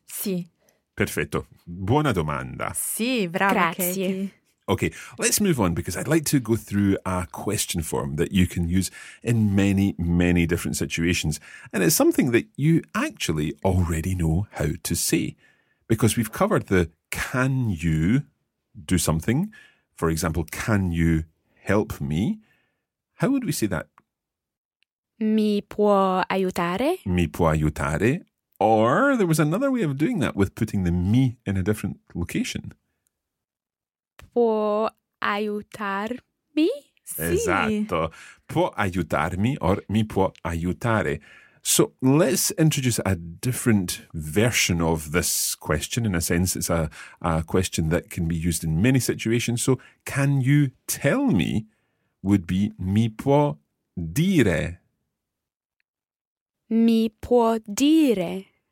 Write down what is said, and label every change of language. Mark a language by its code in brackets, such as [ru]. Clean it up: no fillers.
[it] Sì. Perfetto. Buona domanda. Sì, bravo. Grazie. Katie. [en] Okay, let's move on because I'd like to go through a question form that you can use in many, many different situations. And it's something that you actually already know how to say because we've covered the can you do something? For example, can you help me? How would we say that? [it] Mi può aiutare? Mi può aiutare. [en] Or there was another way of doing that with putting the mi in a different location. [it] Può aiutarmi? Sì. Esatto. Può aiutarmi or mi può aiutare. [en] So let's introduce a different version of this question. In a sense, it's a question that can be used in many situations. So can you tell me would be [it] mi può dire. Mi può dire.